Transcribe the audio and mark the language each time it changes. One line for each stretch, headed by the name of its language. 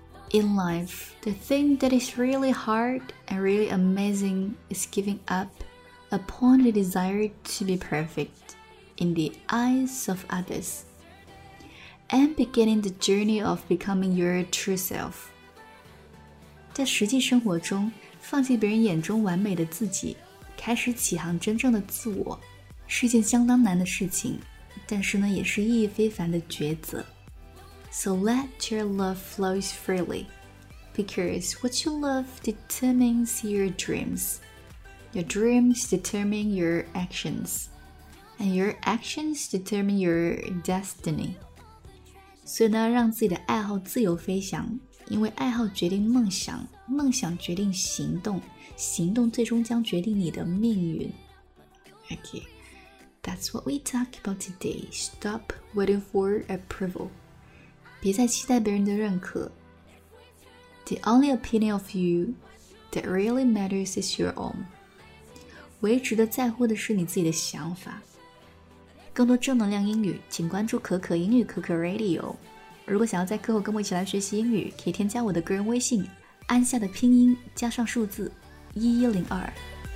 English: In life, the thing that is really hard and really amazing is giving up upon the desire to be perfect in the eyes of others and beginning the journey of becoming your true self.
Chinese: 在实际生活中，放弃别人眼中完美的自己，开始启航真正的自我，是件相当难的事情，但是呢，也是意义非凡的抉择。
English: So let your love flow freely, because what you love determines your dreams. Your dreams determine your actions, and your actions determine your destiny.
Chinese: 所以呢，让自己的爱好自由飞翔，因为爱好决定梦想，梦想决定行动，行动最终将决定你的命运。
English: Okay, that's what we talk about today. Stop waiting for approval.
Chinese: 别再期待别人的认可。
English: The only opinion of you that really matters is your own.
Chinese: 唯一值得在乎的是你自己的想法。更多正能量英语，请关注可可英语可可 Radio。如果想要在课后跟我一起来学习英语，可以添加我的个人微信，安夏的拼音加上数字1102。